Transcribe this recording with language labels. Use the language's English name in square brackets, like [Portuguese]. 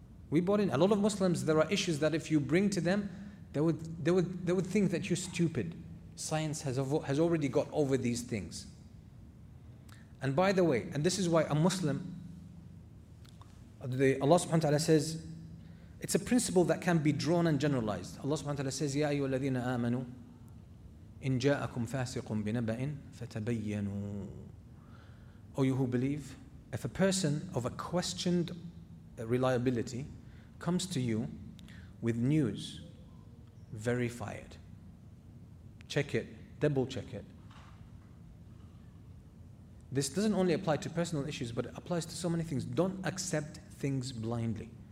[English] We bought in. A lot of Muslims, there are issues that if you bring to them, they would think that you're stupid. Science has already got over these things. And by the way, and this is why a Muslim, Allah subhanahu wa ta'ala says, it's a principle that can be drawn and generalized. Allah subhanahu wa ta'ala says, [Arabic] يَا أَيُّوَ الَّذِينَ آمَنُوا إِن جَاءَكُمْ فَاسِقٌ بِنَبَئٍ فَتَبَيَّنُوا. [English] O you who believe, if a person of a questioned reliability comes to you with news, verify it. Check it, double check it. This doesn't only apply to personal issues, but it applies to so many things. Don't accept things blindly.